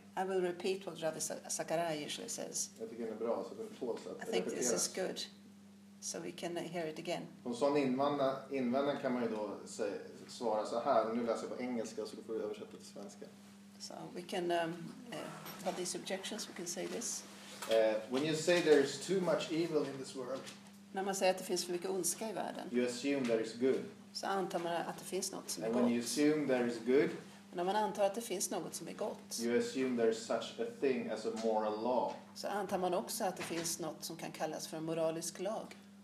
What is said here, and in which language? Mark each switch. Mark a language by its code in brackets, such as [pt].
[en] I will repeat what Ravi Zacharias usually says. [sv] Jag tycker det är bra, så det tåls att [en] I think repeteras. This is good. So we can hear it again. [sv] På en sån invändning kan man ju då svara så här. Nu läser jag på engelska så får vi översätta till svenska. [en] So we can, about these objections, we can say this. When you say there is too much evil in this world. [sv] När man säger att det finns för mycket ondska i världen. [en] You assume there is good. [sv] Så antar man att det finns något som [en] And [sv] är [en] And when [sv] gott. [en] You assume there is good. [sv] När man antar att det finns något som är gott. [en] You assume there is such a thing as a moral law. [sv] Så antar man också att det finns något som kan kallas för en moralisk lag.